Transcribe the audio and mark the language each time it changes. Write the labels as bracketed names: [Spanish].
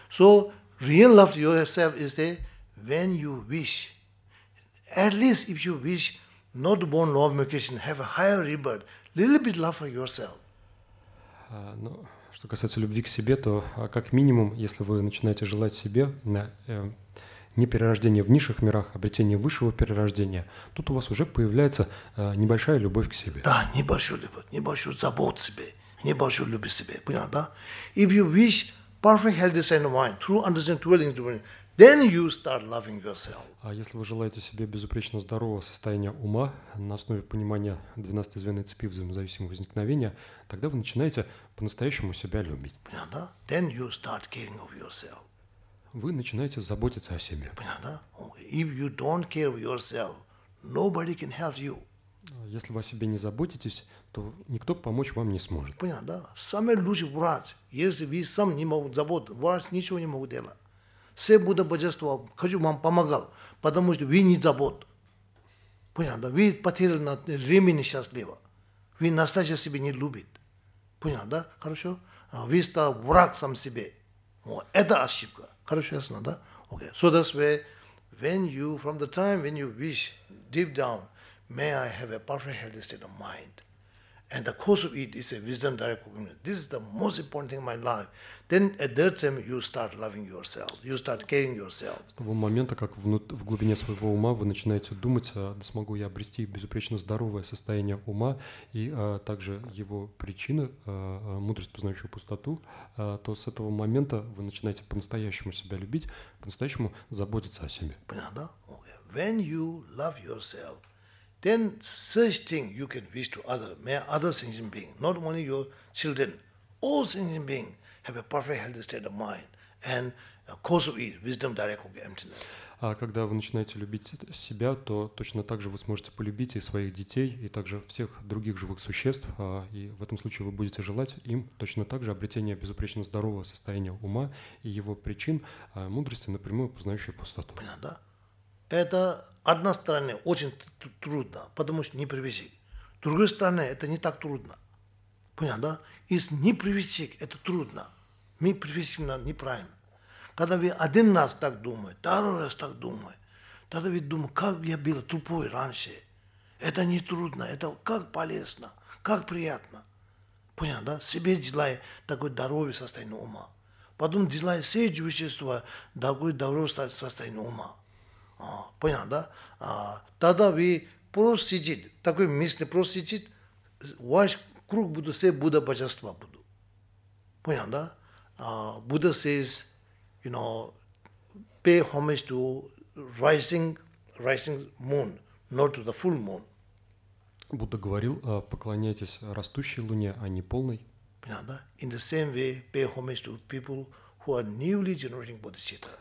[English] So, real love to yourself is the when you wish. At least if you wish not born law of meditation, have a higher rebirth, little bit love for yourself. [Russian] Но что касается любви к себе, то как минимум, если вы начинаете желать себе не перерождение в низших мирах, обретение высшего перерождения, тут у вас уже появляется небольшая любовь к себе. Да, небольшую любовь, небольшую заботу о себе, небольшую любовь к себе. Понял, да? [English] If you wish perfect healthy state of mind, true understanding, dwelling into it, then you start loving yourself. [Russian] А если вы желаете себе безупречно здорового состояния ума на основе понимания 12 звеньев цепи взаимозависимого возникновения, тогда вы начинаете по-настоящему себя любить. Понятно? Да? [English] Then you start caring of yourself. [Russian] Вы начинаете заботиться о себе. Понятно? Да? [English] If you don't care of yourself, nobody can help you. [Russian] Если вы о себе не заботитесь, то никто помочь вам не сможет. Понятно, да. Самый лучший врач, если вы сам не можете заботиться, врач ничего не может делать. Все Будда Божество, хочу вам помогать, потому что вы не заботитесь. Понятно, да. Вы потеряли на времени счастливо. Вы настоящего себя не любите. Понятно, да? Хорошо? Вы стал враг сам себе. Вот. Это ошибка. Хорошо, ясно, да? Okay. [English] So that's where, when you, from the time when you wish deep down, may I have a perfect healthy state of mind. And the cause of it is a wisdom direct cognition. This is the most important thing in my life. Then at that time, you start loving yourself. You start caring yourself. [Russian] С того момента, как в глубине своего ума вы начинаете думать, смогу я обрести безупречно здоровое состояние ума и также его причины, мудрость, познающую пустоту, то с этого момента вы начинаете по-настоящему себя любить, по-настоящему заботиться о себе. Понятно, да? Okay. [English] When you love yourself, then such thing you can wish to other, may other sentient beings, not only your children, all sentient beings have a perfect healthy state of mind and a cause of it, wisdom direct cognition emptiness. [Russian] А когда вы начинаете любить себя, то точно так же вы сможете полюбить и своих детей, и также всех других живых существ, и в этом случае вы будете желать им точно так же обретения безупречно здорового состояния ума и его причин, мудрости, напрямую познающей пустоту. Понятно, да? Это одна сторона очень трудно, потому что не привести. Другая сторона это не так трудно. Понятно, да? Если не привести, это трудно. Мы привести неправильно. Когда вы один раз так думаете, второй раз так думаете, тогда вы думаете, как я был тупой раньше. Это не трудно, это как полезно, как приятно. Понятно, да? Себе делай такое здоровое состояние ума. Потом делай все вещества такое здоровое состояние ума. Понятно, да? Тогда вы просто сидите, такой месте просто сидите, ваш круг будет все Будда Божества будут. Понятно, да? [English] Будда says, you know, pay homage to rising moon, not to the full moon. [Russian] Будда говорил, поклоняйтесь растущей луне, а не полной. Понятно, да? [English] In the same way, pay homage to people who are newly generating bodhicitta.